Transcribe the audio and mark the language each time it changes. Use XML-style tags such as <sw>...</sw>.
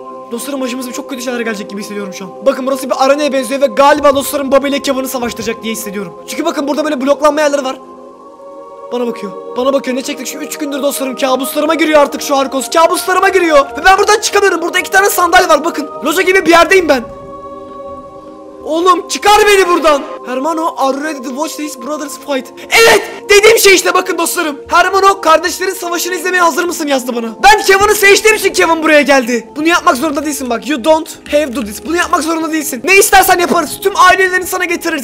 <tr>Dostlarım başımıza çok kötü şeyler gelecek gibi hissediyorum şu an. Bakın burası bir arenaya benziyor ve galiba dostlarım Bobby ile Kevin'i savaştıracak diye hissediyorum. Çünkü bakın burada böyle bloklanma yerleri var. Bana bakıyor ne çektik şu 3 gündür dostlarım kabuslarıma giriyor artık şu Harkos kabuslarıma giriyor. Ve ben buradan çıkamıyorum burada 2 tane sandalye var bakın. Loja gibi bir yerdeyim ben. Oğlum çıkar beni buradan.</tr> <en>Hermano, are ready to watch this brothers fight?</en> <tr>Evet! Dediğim şey işte, bakın dostlarım. Hermano, kardeşlerin savaşını izlemeye hazır mısın yazdı bana. Ben Kevin'i seçtiğim için Kevin buraya geldi. Bunu yapmak zorunda değilsin bak.</tr> <en>You don't have to do this.</en> <tr>Bunu yapmak zorunda değilsin. Ne istersen yaparız. Tüm ailelerini sana getiririz.</tr>